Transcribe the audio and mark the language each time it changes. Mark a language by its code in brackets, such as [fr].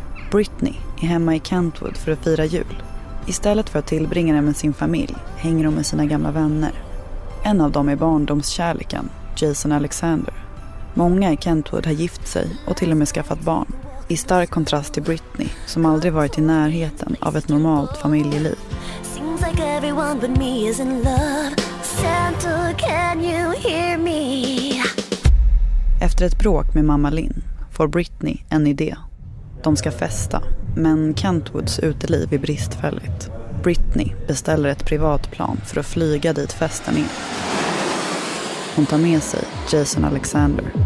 [sv] Britney är hemma i Kentwood för att fira jul. Istället för att tillbringa den med sin familj hänger hon med sina gamla vänner. En av dem är barndomskärleken, Jason Alexander. Många i Kentwood har gift sig och till och med skaffat barn. I stark kontrast till Britney, som aldrig varit i närheten av ett normalt familjeliv. [en] Seems like everyone but me is in love. Santa, can you hear me? [sv] Efter ett bråk med mamma Lynn får Britney en idé. De ska festa, men Kentwoods uteliv är bristfälligt. Britney beställer ett privatplan för att flyga dit festen är. Hon tar med sig Jason Alexander.